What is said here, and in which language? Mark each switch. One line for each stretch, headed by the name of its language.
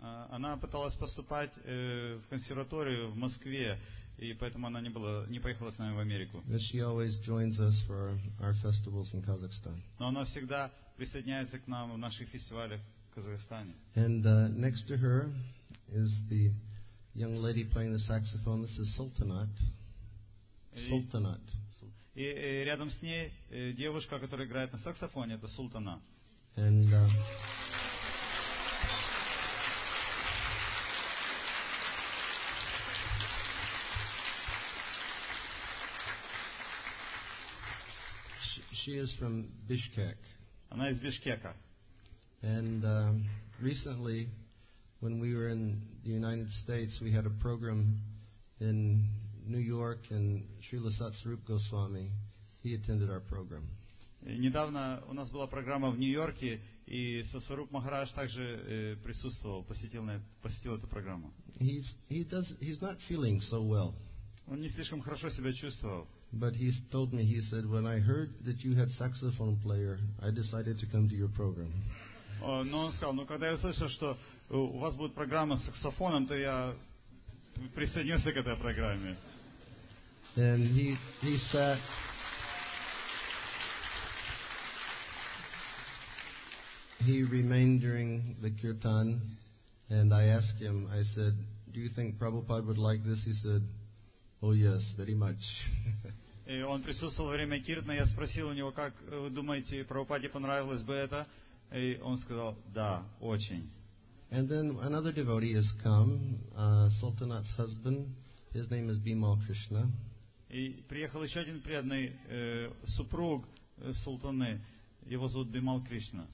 Russian: Она пыталась поступать в консерваторию в Москве, и поэтому она не поехала с нами в Америку.
English: She always joins us for our festivals in Kazakhstan.
Russian: Но она всегда присоединяется к нам в наших фестивалях в Казахстане.
English: And next to her is the young lady playing the saxophone. This is Sultanat. Sultanat.
Russian: И рядом с ней девушка, которая играет на саксофоне, это Султана.
English: And she is from Bishkek.
Russian: Она из Бишкека.
English: And recently, when we were in the United States, we had a program in New York, and Srila Satsarup Goswami, he attended our program.
Russian: Недавно у нас была программа в Нью-Йорке, и Сатсваруп Махарадж также присутствовал, посетил эту программу.
English: He's not feeling so well.
Russian: Он не слишком хорошо себя чувствовал.
English: But he told me, he said, when I heard that you had saxophone player, I decided to come to your program.
Russian: Но он сказал, ну когда я услышал, что у вас будет программа с саксофоном, то я присоединился к этой программе.
English: And he remained during the kirtan And I asked him, I said, do you think Prabhupada would like this? He said, oh yes, very much.
Russian: И он присутствовал во время Киртана, я спросил у него, как вы думаете, Прабхупаде понравилось бы это? И он сказал, да, очень.
English: And then another devotee has come, Sultanat's husband, his name is Bimal Krishna.
Russian: И приехал еще один преданный, супруг султаны, его зовут Бимал Кришна.